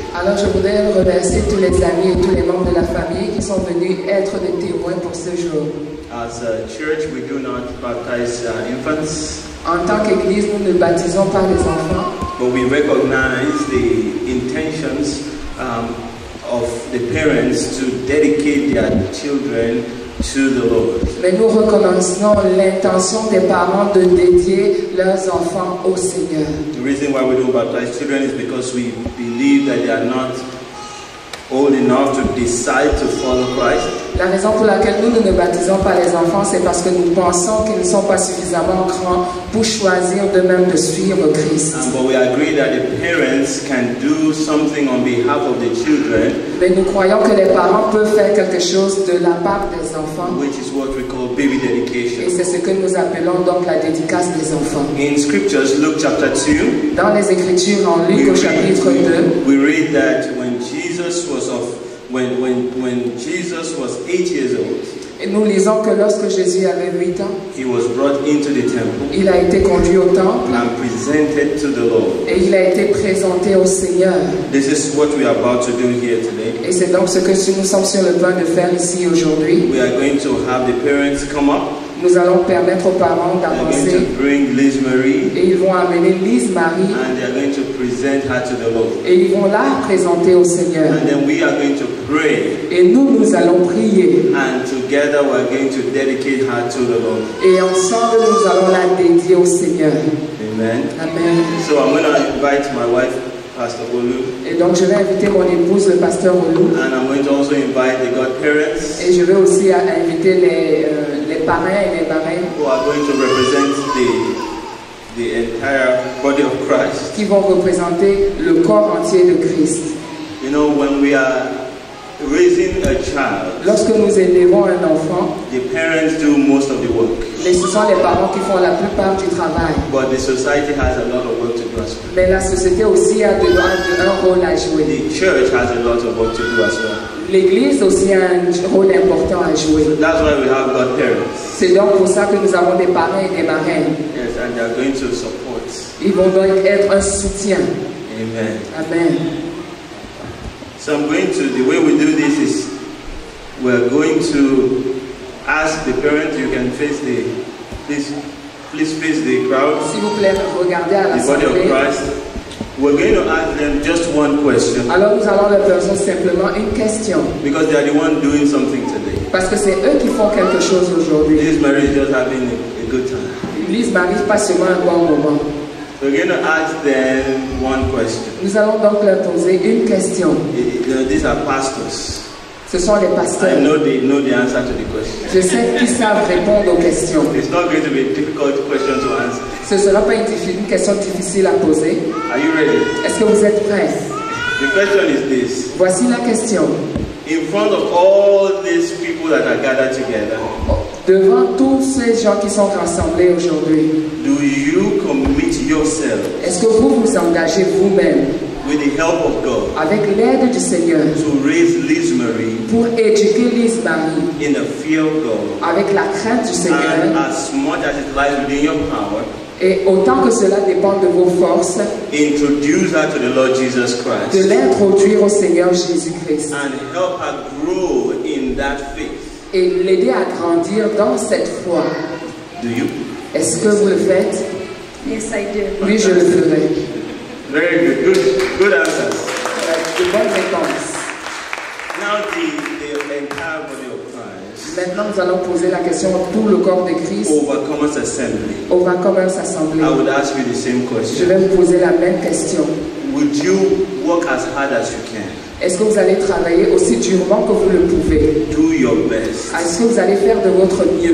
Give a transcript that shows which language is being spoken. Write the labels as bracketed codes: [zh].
[fr] Alors je voudrais remercier tous les amis et tous les membres de la famille qui sont venus être des témoins pour ce jour. [en] As a church, we do not baptize infants. [fr] En tant qu'église, nous ne baptisons pas les enfants. [en] But we recognize the intentions of the parents to dedicate their children to the Lord. [fr] Mais nous reconnaissons l'intention des parents de dédier leurs enfants au Seigneur. [en] The reason why we don't baptize children is because we believe that they are not old enough to decide to follow Christ. [fr] La raison pour laquelle nous ne baptisons pas les enfants, c'est parce que nous pensons qu'ils ne sont pas suffisamment grands pour choisir de même de suivre Christ. [en] But we agree that the parents can do something on behalf of the children. [fr] Mais nous croyons que les parents peuvent faire quelque chose de la part des enfants. [en] Which is what we call baby dedication. [fr] Et c'est ce que nous appelons donc la dédicace des enfants. [en] In scriptures, Luke chapter 2. [fr] Dans les Écritures, en Luc au chapitre 2. [en] We read that when Jesus was 8 years old. [fr] Et nous lisons que lorsque Jésus avait 8 ans, [en] he was brought into the temple. [fr] Il a été conduit au temple. [en] And presented to the Lord. [fr] Et il a été présenté au Seigneur. [en] This is what we are about to do here today. [fr] Et c'est donc ce que nous sommes sur le point de faire ici aujourd'hui. [en] We are going to have the parents come up. [fr] Nous allons permettre aux parents d'avancer. [en] They are going to bring Liz Marie. [fr] Et ils vont amener Liz Marie. [en] And they are going to present her to the Lord. [fr] Et ils vont la présenter au Seigneur. [en] And then we are going to pray. [fr] Et nous allons prier. [en] And together we are going to dedicate her to the Lord. [fr] Et ensemble nous allons la dédier au Seigneur. [en] Amen. [fr] Amen. [en] So I'm going to invite my wife, Pastor Olu. [fr] Et donc je vais inviter mon épouse, le pasteur Olu. [en] And I'm going to also invite the godparents. [fr] Et je vais aussi inviter les parents et les marraines. [en] Who are going to represent the entire body of Christ. [fr] Qui vont représenter le corps entier de Christ. [en] You know, when we are raising a child, [fr] lorsque nous élevons un enfant, [en] the parents do most of the work. [fr] Mais ce sont les parents qui font la plupart du travail. [en] But the society has a lot of work to do as well. [fr] Mais la société aussi a un rôle à jouer. [en] The church has a lot of work to do as well. [fr] L'église aussi a un rôle important à jouer. [en] So that's why we have got parents. [fr] C'est donc pour ça que nous avons des parents et des marraines. [en] Yes, and they are going to support. [fr] Ils vont donc être un soutien. [en] Amen. [fr] Amen. [en] So I'm going to, the way we do this is, we're going to ask the parents, you can face the, please face the crowd. [fr] S'il vous plaît, regardez à la salle. [en] The body of Christ. We're going to ask them just one question. [fr] Alors nous allons leur poser simplement une question. [en] Because they are the one doing something today. [fr] Parce que c'est eux qui font quelque chose aujourd'hui. [en] Liz Marie is just having a good time. [fr] Liz Marie passe seulement un bon moment. [en] We're going to ask them one question. [fr] Nous allons donc leur poser une question. [en] These are pastors. [fr] Ce sont les pasteurs. [en] I know they know the answer to the question. [fr] Je sais qu'ils savent répondre aux questions. [en] It's not going to be a difficult question to answer. [fr] Ce ne sera pas une question difficile à poser. [en] Are you ready? [fr] Est-ce que vous êtes prêts? [en] The question is this. [fr] Voici la question. [en] In front of all these people that are gathered together. [fr] Devant tous ces gens qui sont rassemblés aujourd'hui. [en] Do you commit yourself? [fr] Est-ce que vous vous engagez vous-même? [en] With the help of God. [fr] Avec l'aide du Seigneur. [en] To raise Liz Marie. [fr] Pour éduquer Liz Marie. [en] In the fear of God. [fr] Avec la crainte du Seigneur. [en] And as much as it lies within your power. [fr] Et autant que cela dépend de vos forces, [en] introduce her to the Lord Jesus Christ. [fr] De l'introduire au Seigneur Jésus-Christ. [en] And help her grow in that faith. [fr] Et l'aider à grandir dans cette foi. [en] Do you? [fr] Est-ce que vous le faites? [en] Yes, I do. [fr] Oui, je le ferai. [en] Very good. Good answers. [fr] De bonnes réponses. [en] Now the entire body of Christ. [fr] Maintenant, nous allons poser la question à tout le corps de Christ. [en] Overcomers Assembly. Overcomers Assembly. I would ask you the same question. [fr] Je vais vous poser la même question. [en] Would you work as hard as you can? [fr] Est-ce que vous allez travailler aussi durement que vous le pouvez? [en] Do your best. [fr] Est-ce que vous allez faire de votre mieux?